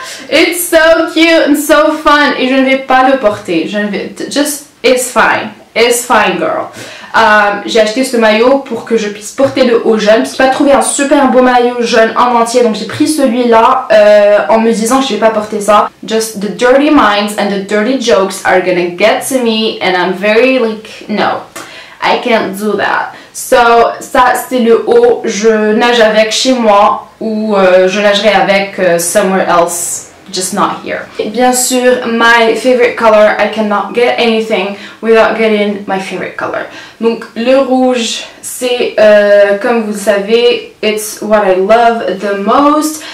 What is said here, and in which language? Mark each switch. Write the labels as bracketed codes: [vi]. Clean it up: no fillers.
[en] It's so cute and so fun! [fr] Et je ne vais pas le porter. [en] It's fine, girl. [fr] J'ai acheté ce maillot pour que je puisse porter le haut jeune. J'ai pas trouvé un super beau maillot jeune en entier, donc j'ai pris celui-là en me disant que je vais pas porter ça. [en] Just the dirty minds and the dirty jokes are gonna get to me and I'm very like, no, I can't do that. [fr] So, ça c'est le haut, je nage avec chez moi ou je nagerai avec [en] somewhere else. Just not here. [fr] Bien sûr, [en] my favorite color, I cannot get anything without getting my favorite color. [fr] Donc le rouge, c'est comme vous le savez, [en] it's what I love the most.